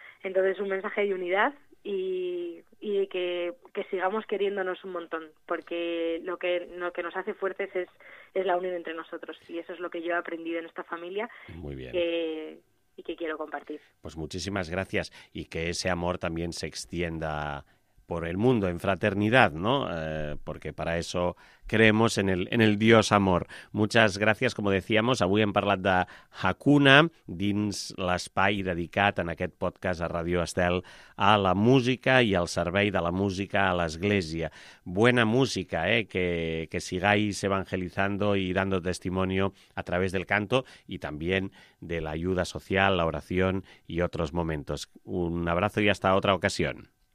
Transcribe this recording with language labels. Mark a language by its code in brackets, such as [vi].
[es] Entonces un mensaje de unidad y que sigamos queriéndonos un montón, porque lo que nos hace fuertes es la unión entre nosotros, y eso es lo que yo he aprendido en esta familia. Muy bien. Y que quiero compartir. Pues muchísimas gracias, y que ese amor también se extienda por el mundo en fraternidad, ¿no? Porque para eso creemos en el Dios amor. Muchas gracias, como decíamos, [ca] avui hem parlat de Hakuna dins l'espai dedicat en aquest podcast a Radio Estel a la música i al servei de la música a l'Església. [es] Buena música, que sigáis evangelizando y dando testimonio a través del canto y también de la ayuda social, la oración y otros momentos. Un abrazo y hasta otra ocasión.